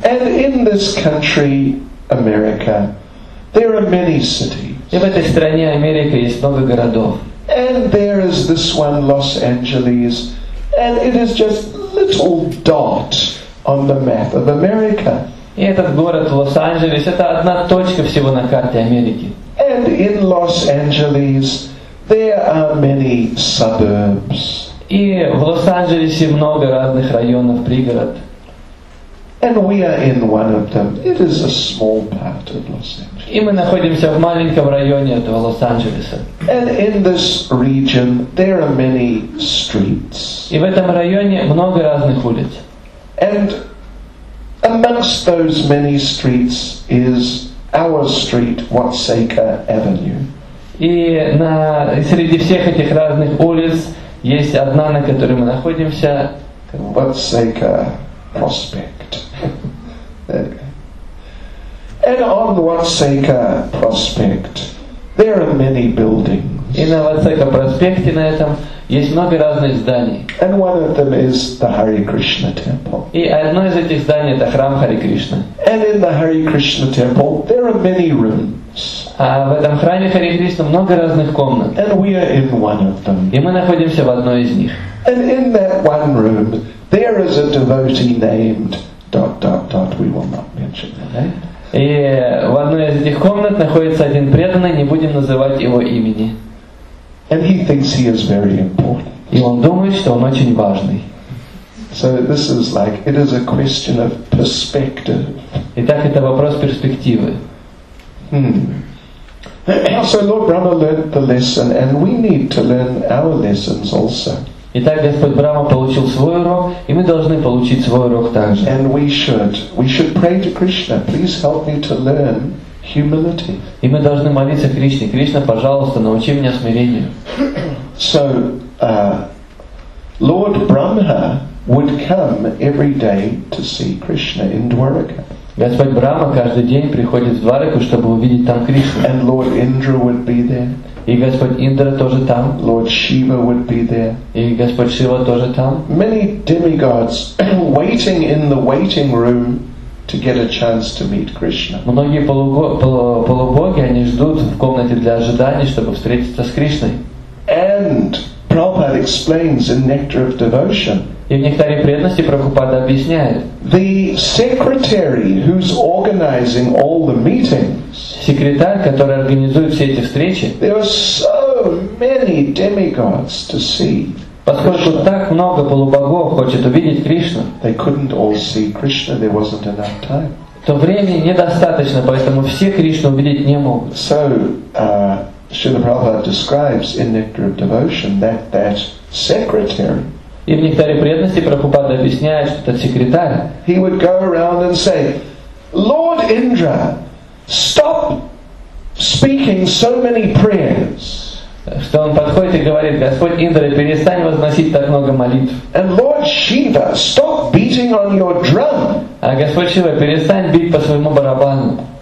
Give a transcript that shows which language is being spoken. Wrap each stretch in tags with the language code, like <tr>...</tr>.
<en>And in this country, America, there are many cities.</en> <ru>И в этой стране, Америка, есть много городов.</ru> <en>And there is this one, Los Angeles, and it is just little dot on the map of America.</en> <ru>И этот город Лос-Анджелес — это одна точка всего на карте Америки.</ru> <en>And in Los Angeles, there are many suburbs.</en> <ru>И в Лос-Анджелесе много разных районов, пригород.</ru> <en>And we are in one of them. It is a small part of Los Angeles.</en> <ru>И мы находимся в маленьком районе этого Лос-Анджелеса.</ru> <en>And in this region, there are many streets.</en> <ru>И в этом районе много разных улиц.</ru> <en>And amongst those many streets is our street, Watsaka Avenue.</en> <ru>И на среди всех этих разных улиц есть одна, на которой мы находимся.</ru> <en>Watsaka Prospect. And on Watsaka Prospect, there are many buildings.</en> <ru>И на Watsaka проспекте на этом есть много разных зданий.</ru> <en>And one of them is the Hare Krishna temple.</en> <ru>И одно из этих зданий это храм Харе Кришна.</ru> <en>And in the Hare Krishna temple, there are many rooms.</en> <ru>А в этом храме Харе Кришна много разных комнат.</ru> <en>And we are in one of them.</en> <ru>И мы находимся в одной из них.</ru> <en>And in that one room, there is a devotee named dot dot dot. We will not mention that.</en> <ru>И в одной из этих комнат находится один преданный, не будем называть его имени.</ru> <en>And he thinks he is very important.</en> <ru>И он думает, что он очень важный.</ru> <en>So this is like it is a question of perspective.</en> <ru>Итак, это вопрос перспективы.</ru> <en>So Lord Brahma learned the lesson, and we need to learn our lessons also.</en> <ru>Итак, Господь Брама получил свой урок, и мы должны получить свой урок также.</ru> <en>And we should pray to Krishna, please help me to learn humility.</en> <ru>И мы должны молиться Кришне: Кришна, пожалуйста, научи меня смирению.</ru> <en>So Lord Brahma would come every day to see Krishna in Dwarka.</en> <ru>Господь Брама каждый день приходит в Двараку, чтобы увидеть там Кришну.</ru> <en>And Lord Indra would be there.</en> <ru>И Господь Индра тоже там.</ru> <en>Lord Shiva would be there.</en> <ru>И Господь Шива тоже там.</ru> <en>Many demigods waiting in the waiting room to get a chance to meet Krishna.</en> <ru>Многие полубоги, они ждут в комнате для ожидания, чтобы встретиться с Кришной.</ru> <en>And Prabhupada explains in Nectar of Devotion.</en> <ru>И в Нектаре преданности Прабхупада объясняет.</ru> <en>The secretary who's organizing all the meetings.</en> <ru>Секретарь, который организует все эти встречи.</ru> <en>There are so many demigods to see.</en> <ru>Поскольку так много полубогов хочет увидеть Кришну.</ru> <en>They couldn't all see Krishna. There wasn't enough time.</en> <ru>То времени недостаточно, поэтому все Кришну увидеть не могут.</ru> <en>So Srila Prabhupada describes in Nectar of Devotion that secretary.</en> <ru>И в Нектаре преданности Прабхупада объясняет, что этот секретарь.</ru> <en>He would go around and say, Lord Indra, stop speaking. speaking so many prayers.</en> <ru>Что он подходит и говорит: Господь Индра, перестань возносить так много молитв.</ru> <en>And Lord Shiva, stop beating on your drum.</en> <ru>А Господь Шива, перестань бить по своему барабану.</ru>